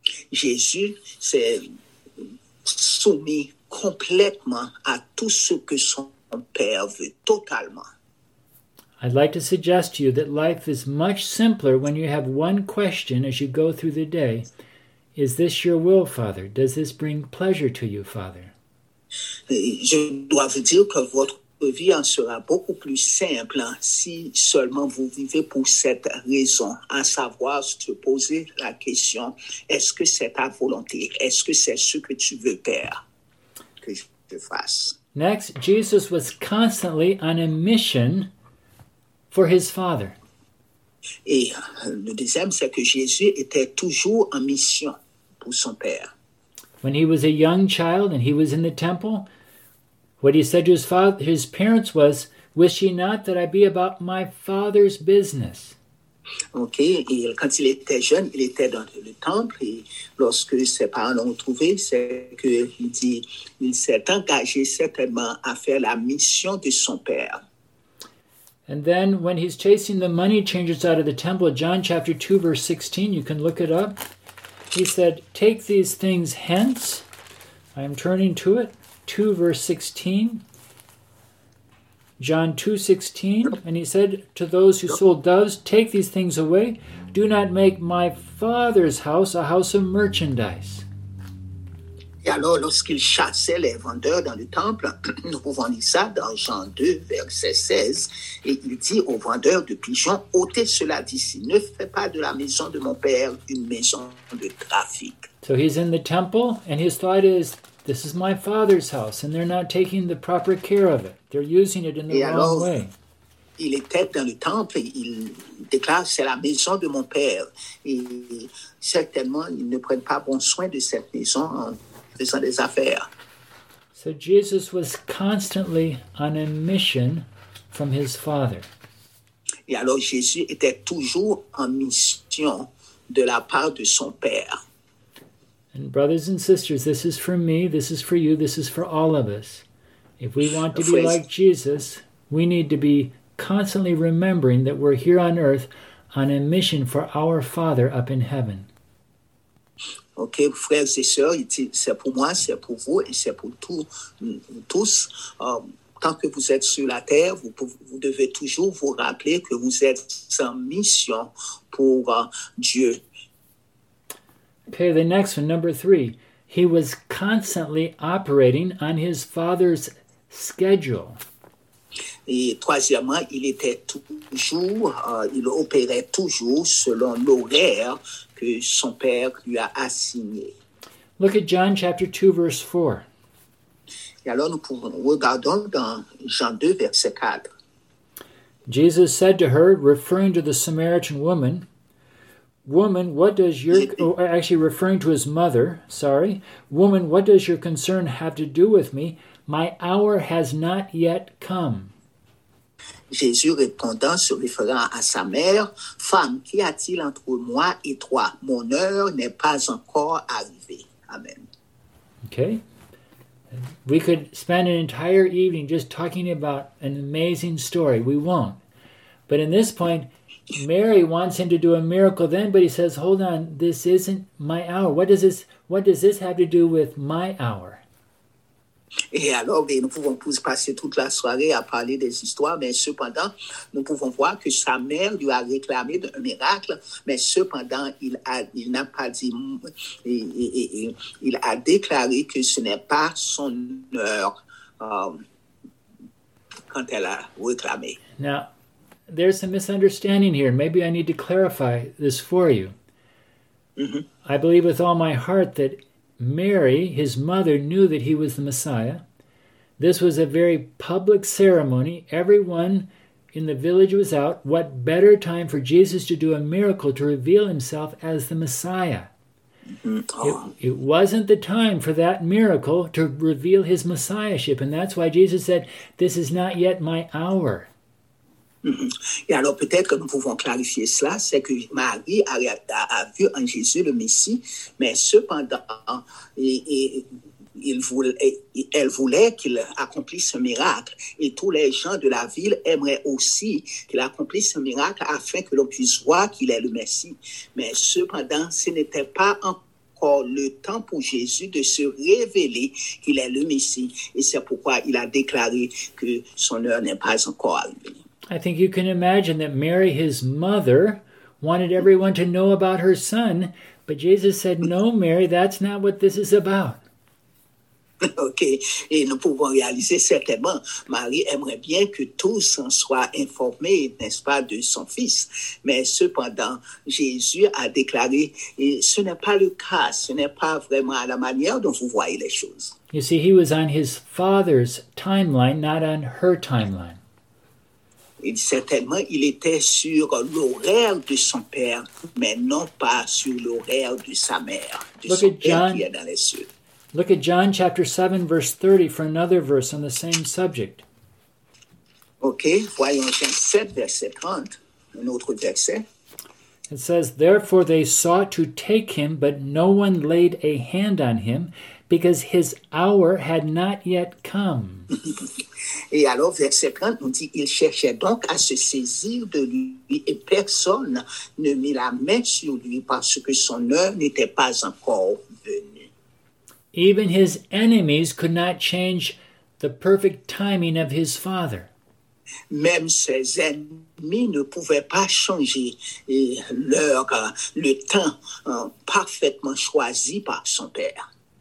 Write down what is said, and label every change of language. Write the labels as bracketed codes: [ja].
[fr] Jésus s'est soumis complètement à tout ce que son Père veut, totalement. [en] I'd like to suggest to you that life is much simpler when you have one question as you go through the day. Is this your will, Father? Does this bring pleasure to you, Father? [fr] Je dois vous dire que votre vie en sera beaucoup plus simple si seulement vous vivez pour cette raison, à savoir se poser la question, est-ce que c'est ta volonté? Est-ce que c'est ce que tu veux, Père, que je te fasse? [en] Next, Jesus was constantly on a mission for his father. [fr] Et le deuxième, c'est que Jésus était toujours en mission pour son Père. [en] When he was a young child and he was in the temple, what he said to his father, his parents was, "Wish ye not that I be about my father's business." [fr] Ok, et quand il était jeune, il était dans le temple et lorsque ses parents l'ont trouvé, c'est qu'il dit, il s'est engagé certainement à faire la mission de son père. [en] And then when he's chasing the money changers out of the temple, John chapter 2, verse 16, you can look it up. He said, "Take these things hence." I am turning to it. 2, verse 16. John 2, 16. And he said to those who sold doves, "Take these things away. Do not make my father's house a house of merchandise." [fr] Et alors, lorsqu'il chassait les vendeurs dans le temple, nous pouvons lire ça dans Jean 2, verset 16, et il dit aux vendeurs de pigeons, ôtez cela d'ici, ne fais pas de la maison de mon père une maison de trafic. [en] So he's in the temple, and his thought is, this is my father's house, and they're not taking the proper care of it. They're using it in the [fr] Et [en] wrong [fr] alors, [en] way. [fr] il était dans le temple et il déclare, c'est la maison de mon père. Et certainement, ils ne prennent pas bon soin de cette maison. Des affaires. [en] So Jesus was constantly on a mission from his father. [fr] Et alors Jésus était toujours en mission de la part de son père. [en] And brothers and sisters, this is for me, this is for you, this is for all of us. If we want to be like Jesus, we need to be constantly remembering that we're here on earth on a mission for our Father up in heaven. [fr] Ok, frères et sœurs, c'est pour moi, c'est pour vous et c'est pour tous. Tant que vous êtes sur la terre, vous devez toujours vous rappeler que vous êtes en mission pour Dieu. [en] Okay, the next one, number three. He was constantly operating on his father's schedule. [fr] Et troisièmement, il était toujours, il opérait toujours selon l'horaire que son père lui a assigné. [en] Look at John chapter 2, verse 4. [fr] Et alors nous regardons dans Jean 2, verset 4. [en] Jesus said to her, referring to the Samaritan woman, "Woman, what does your..." Oh, actually referring to his mother, sorry. "Woman, what does your concern have to do with me? My hour has not yet come." [fr] Jésus répondant, se référant à sa mère, « Femme, qu'y a-t-il entre moi et toi? Mon heure n'est pas encore arrivée. » Amen. [en] Okay. We could spend an entire evening just talking about an amazing story. We won't. But in this point, Mary wants him to do a miracle then, but he says, hold on, this isn't my hour. What does this have to do with my hour? [fr] Et alors, nous pouvons passer toute la soirée à parler des histoires, mais cependant, nous pouvons voir que sa mère lui a réclamé un miracle, mais cependant, il a déclaré que ce n'est pas son heure quand elle a réclamé. [en] Now, there's a misunderstanding here. Maybe I need to clarify this for you. I believe with all my heart that Mary, his mother, knew that he was the Messiah. This was a very public ceremony. Everyone in the village was out. What better time for Jesus to do a miracle to reveal himself as the Messiah? It wasn't the time for that miracle to reveal his messiahship, and that's why Jesus said, "This is not yet my hour." [fr] Et alors, peut-être que nous pouvons clarifier cela, c'est que Marie a vu en Jésus le Messie, mais cependant, elle voulait qu'il accomplisse un miracle. Et tous les gens de la ville aimeraient aussi qu'il accomplisse un miracle afin que l'on puisse voir qu'il est le Messie. Mais cependant, ce n'était pas encore le temps pour Jésus de se révéler qu'il est le Messie. Et c'est pourquoi il a déclaré que son heure n'est pas encore arrivée. [en] I think you can imagine that Mary, his mother, wanted everyone to know about her son, but Jesus said, "No, Mary, that's not what this is about." [fr] OK, et nous pouvons réaliser certainement, Marie aimerait bien que tous en soient informés, n'est-ce pas, de son fils. Mais cependant, Jésus a déclaré, et ce n'est pas le cas, ce n'est pas vraiment à la manière dont vous voyez les choses. [en] You see, he was on his father's timeline, not on her timeline. [fr] Et certainement, il était sur l'horaire de son père, mais non pas sur l'horaire de sa mère, de [en] Look [fr] son [en] at [fr] père qui est dans les cieux. [en] Look at John chapter 7, verse 30 for another verse on the same subject. [fr] OK, voyons Jean 7, verset 30, un autre verset. [en] It says, "Therefore they sought to take him, but no one laid a hand on him, because his hour had not yet come." [fr] Et alors, verset 30, on dit, il cherchait donc à se saisir de lui et personne ne mit la main sur lui parce que son heure n'était pas encore venue. [en] Even his enemies could not change the perfect timing of his father. [fr] Même ses ennemis ne pouvaient pas changer le temps parfaitement choisi par son père.